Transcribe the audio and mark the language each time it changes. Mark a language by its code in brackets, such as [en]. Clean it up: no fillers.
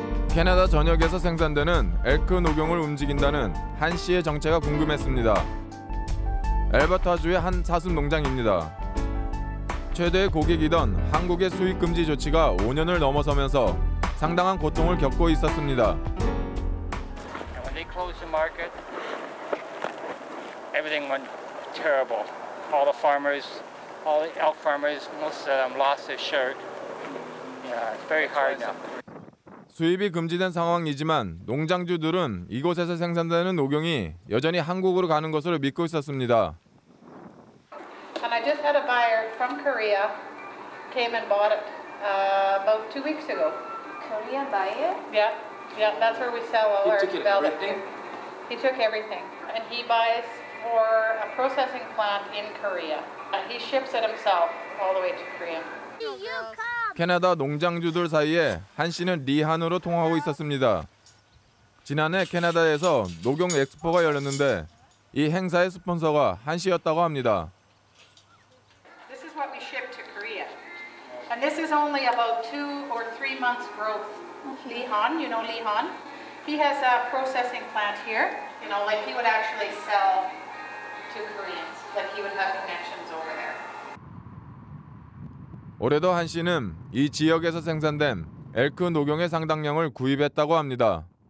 [ko] 캐나다 전역에서 생산되는 엘크 녹용을 움직인다는 한 씨의 정체가 궁금했습니다. 알버타주의 한 사슴 농장입니다. 최대의 고객이던 한국의 수입 금지 조치가 5년을 넘어서면서 상당한 고통을 겪고 있었습니다. [en] When they closed the market, everything went terrible. All the farmers, all the elk farmers, most of them lost their shirt. Yeah, very hard now. [ko] 수입이 금지된 상황이지만 농장주들은 이곳에서 생산되는 녹용이 여전히 한국으로 가는 것으로 믿고 있었습니다. [en] And I just had a buyer from Korea came and bought it about 2 weeks ago. Korea buyer? Yeah. Yeah, that's where we sell all our velvet. He took everything and he buys for a processing plant in Korea. He ships it himself all the way to Korea. [ko] 캐나다 농장주들 사이에 한 씨는 리한으로 통화하고 있었습니다. 지난해 캐나다에서 녹용 엑스포가 열렸는데 이 행사의 스폰서가 한 씨였다고 합니다. [en] This is what we ship to Korea. And this is only about 2 or 3 months growth. Lihan, you know Lihan? He has a processing plant here. You know, like he would actually sell to Koreans, that he would have connections over there. [ko] 올해도 한 씨는 이 지역에서 생산된 엘크 녹용의 상당량을 구입했다고 합니다.